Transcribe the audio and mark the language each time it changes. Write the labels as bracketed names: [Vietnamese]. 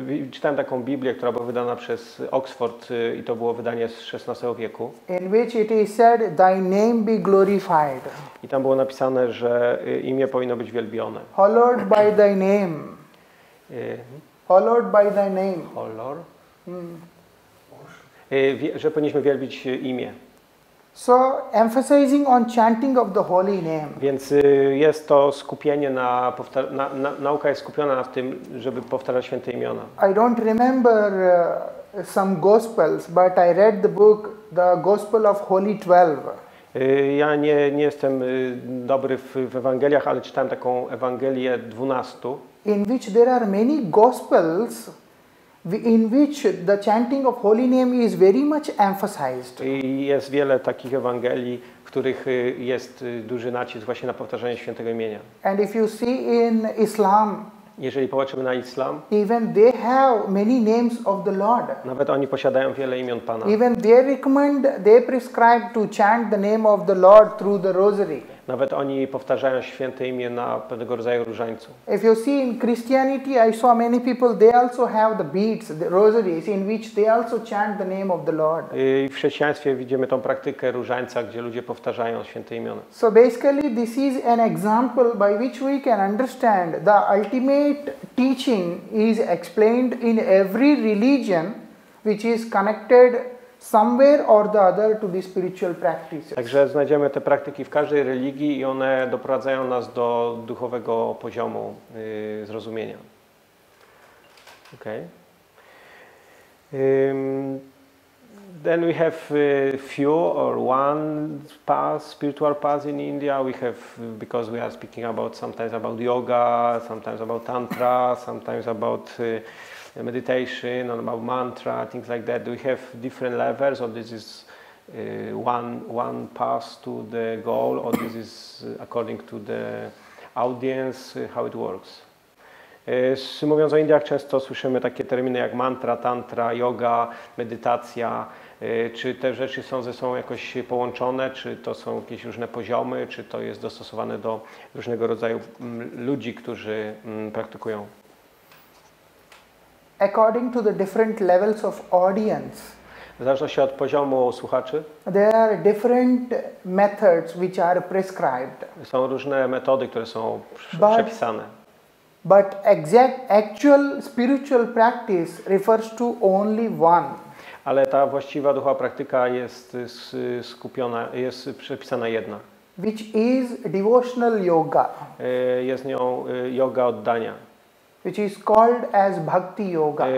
[Polish] Czytałem taką Biblię, która była wydana przez Oxford i to było wydanie z XVI wieku. [English] In which it is said, thy name be glorified. [Polish] I tam było napisane, że imię powinno być wielbione. [English] Hallowed by thy name. Hallowed by thy name. Hallowed. [Polish] Że powinniśmy wielbić imię. [English] So emphasizing on chanting of the holy name. [Polish] Więc jest to skupienie nauka jest skupiona w tym, żeby powtarzać święte imiona. [English] I don't remember some gospels, but I read the book The Gospel of Holy Twelve. [Polish] Ja nie jestem dobry w Ewangeliach, ale czytałem taką Ewangelię 12. [English] In which there are many gospels in which the chanting of holy name is very much emphasized. [Polish] I jest wiele takich Ewangelii, w których jest duży nacisk właśnie na powtarzanie świętego imienia. [English] And if you see in Islam, [Polish] jeżeli popatrzymy na Islam, [English] even they have many names of the Lord. [Polish] Nawet oni posiadają wiele imion Pana. [English] Even they recommend, they prescribe to chant the name of the Lord through the rosary. [Polish] Nawet oni powtarzają święte imię na pewnego rodzaju różańcu. [English] If you see in Christianity, I saw many people, they also have the beads, the rosaries, in which they also chant the name of the Lord. [Polish] I w chrześcijaństwie widzimy tą praktykę różańca, gdzie ludzie powtarzają święte imiona. [English] So basically, this is an example by which we can understand the ultimate teaching is explained in every religion, which is connected somewhere or the other to the spiritual practices. [Polish] Także znajdziemy te praktyki w każdej religii i one doprowadzają nas do duchowego poziomu zrozumienia. Okay. [English] Then we have few or one path, spiritual path in India. We have, because we are speaking about sometimes about yoga, sometimes about tantra, sometimes about meditation and about mantra, things like that. Do we have different levels, or this is one path to the goal, or this is according to the audience, how it works? [Polish] Mówiąc o Indiach, często słyszymy takie terminy jak mantra, tantra, yoga, medytacja. Czy te rzeczy są ze sobą jakoś połączone, czy to są jakieś różne poziomy, czy to jest dostosowane do różnego rodzaju ludzi, którzy praktykują? [English] According to the different levels of audience. [Polish] W zależności od poziomu słuchaczy. [English] There are different methods which are prescribed. [Polish] Są różne metody, które są przepisane. [English] But exact actual spiritual practice refers to only one. [Polish] Ale ta właściwa duchowa praktyka jest skupiona, jest przepisana jedna. [English] Which is devotional yoga. [Polish] Jest nią yoga oddania. [English] Which is called as bhakti yoga.